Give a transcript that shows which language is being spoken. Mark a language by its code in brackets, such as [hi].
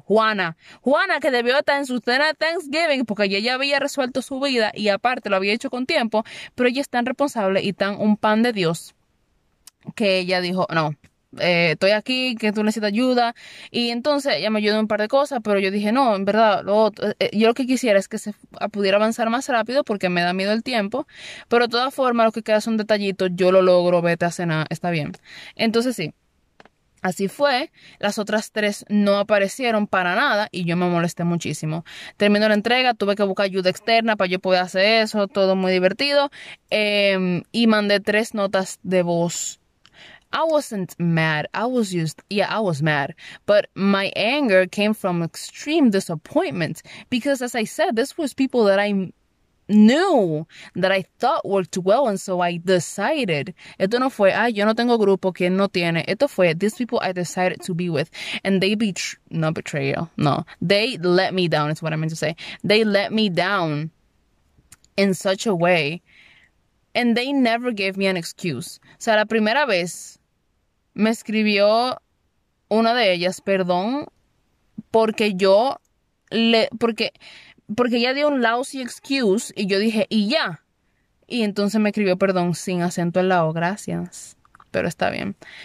[es] Juana, Juana que debió estar en su cena de Thanksgiving porque ella ya había resuelto su vida y aparte lo había hecho con tiempo, pero ella es tan responsable y tan un pan de Dios que ella dijo, no, estoy aquí, que tú necesitas ayuda y entonces ella me ayudó en un par de cosas, pero yo dije, no, en verdad, yo lo que quisiera es que se pudiera avanzar más rápido porque me da miedo el tiempo, pero de todas formas lo que queda son detallitos, yo lo logro, vete a cenar, está bien. Entonces sí, así fue, las otras tres no aparecieron para nada y yo me molesté muchísimo. Terminó la entrega, tuve que buscar ayuda externa para yo poder hacer eso, todo muy divertido y mandé tres notas de voz. [en] I wasn't mad, I was just, yeah, I was mad, but my anger came from extreme disappointment because, as I said, this was people that I knew, that I thought worked well, and so I decided. [es] Esto no fue, ay, yo no tengo grupo, quién no tiene. Esto fue, [en] these people I decided to be with, and they not betrayal, no. They let me down, is what I meant to say. They let me down in such a way, and they never gave me an excuse. [es] O sea, la primera vez me escribió una de ellas, perdón, porque yo le, porque, porque ella dio un [en] lousy excuse [es] y yo dije, y ya. Y entonces me escribió perdón sin acento en la O, gracias. Pero está bien.